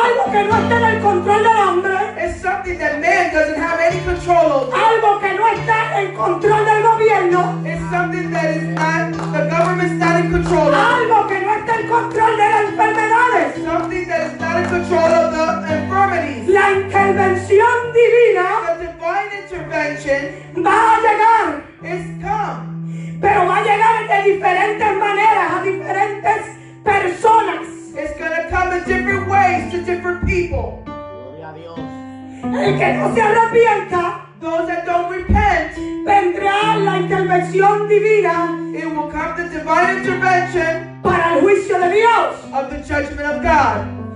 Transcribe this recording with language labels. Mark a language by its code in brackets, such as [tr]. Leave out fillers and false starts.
[es] Algo que no está en el control del hombre. [en] It's something that man doesn't have any control over. [es] Algo que no está en control del gobierno. [en] It's something that is not, the government's not in control over. [es] Algo que no está en control de las enfermedades. [en] It's something that is not in control of the infirmities. [es] La intervención divina, [en] the divine intervention, [es] va a llegar. [en] It's come. [es] Pero va a llegar de diferentes maneras a diferentes personas. [en] It's going to come in different ways to different people. [es] Gloria a Dios. El que no se arrepienta, [en] those that don't repent, [es] vendrá la intervención divina. [en] It will come the divine intervention [es] para el juicio de Dios. [en] Of the judgment of God.